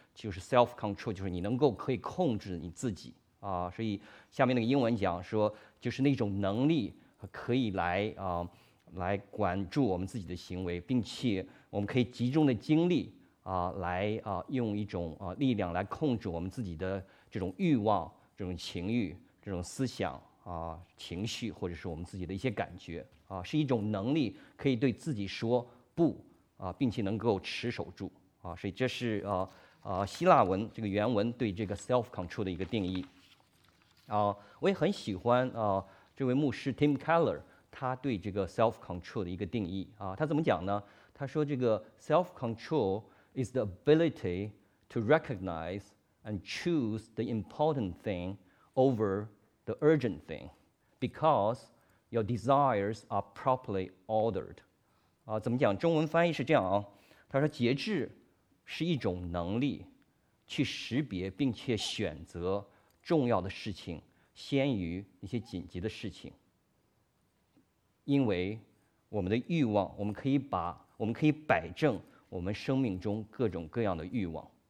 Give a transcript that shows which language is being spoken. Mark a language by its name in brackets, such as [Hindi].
[Chinese] 就是 self control， 就是你能够可以控制你自己所以下面那个英文讲说，就是那种能力可以来管住我们自己的行为，并且我们可以集中的精力来用一种力量来控制我们自己的这种欲望、这种情欲、这种思想情绪，或者是我们自己的一些感觉是一种能力可以对自己说不并且能够持守住所以这是希腊文这个原文对这个 self control 的一个定义我也很喜欢这位牧师 Tim Keller 他对这个 self control 的一个定义他怎么讲呢？他说这个 [English] self-control is the ability to recognize and choose the important thing over the urgent thing because your desires are properly ordered. [Chinese] 啊、怎么讲，中文翻译是这样啊，他说节制是一种能力，去识别并且选择重要的事情先于一些紧急的事情。因为我们的欲望，我们可以摆正我们生命中各种各样的欲望。